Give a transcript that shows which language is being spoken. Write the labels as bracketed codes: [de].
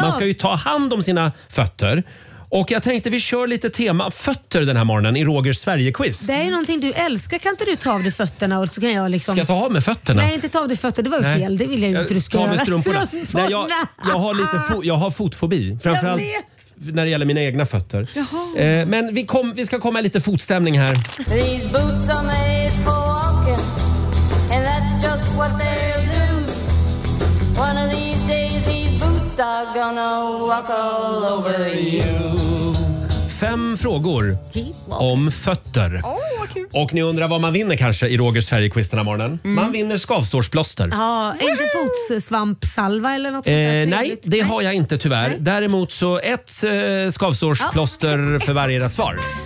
[sv] Man ska ju ta hand om sina fötter. Och jag tänkte vi kör lite tema fötter den här morgonen i Rogers Sverige-quiz. Det är ju någonting du älskar, kan inte du ta av dig fötterna och så kan jag liksom... Ska jag ta av mig fötterna? Nej, inte ta av dig fötter, det var ju fel, det vill jag ju inte du ska göra. Strumporna. Nej, jag har lite jag har fotfobi, framförallt när det gäller mina egna fötter. Jaha. Men vi ska komma lite fotstämning här. [en] These boots are made for walking, and that's just what they'll do. One of these days these boots are gonna walk all over you. [sv] Fem frågor om fötter. Oh, vad kul. Och ni undrar vad man vinner kanske i Rogers Sverige-quiz den här morgonen. Mm. Man vinner skavsårsplåster. Ja, inte fotsvampsalva eller något sånt. Nej, det har jag inte tyvärr. Nej. Däremot så ett skavsårsplåster för varje rätt svar.